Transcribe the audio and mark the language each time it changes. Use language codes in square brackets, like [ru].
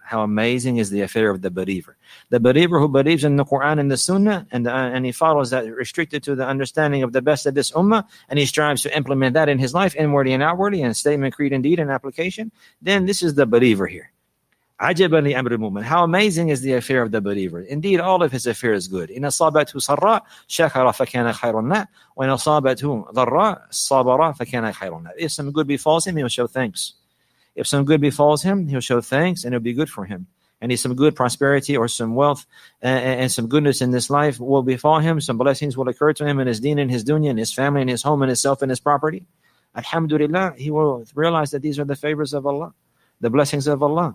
[en] How amazing is the affair of the believer. The believer who believes in the Quran and the Sunnah, and he follows that restricted to the understanding of the best of this Ummah, and he strives to implement that in his life, inwardly and outwardly, in statement, creed, and deed, and application, then this is the believer here. [ar] عجباً لأمر المؤمن. [en] How amazing is the affair of the believer. Indeed, all of his affair is good. [ar] إن أصابته سراء شكر فكان خيراً له. وإن أصابته ضراء صبر فكان خيراً له. [en] If some good befalls him, he'll show thanks. If some good befalls him, he'll show thanks and it'll be good for him. And if some good prosperity or some wealth and some goodness in this life will befall him, some blessings will occur to him in his deen and his dunya and his family and his home and his self and his property, alhamdulillah, he will realize that these are the favors of Allah, the blessings of Allah.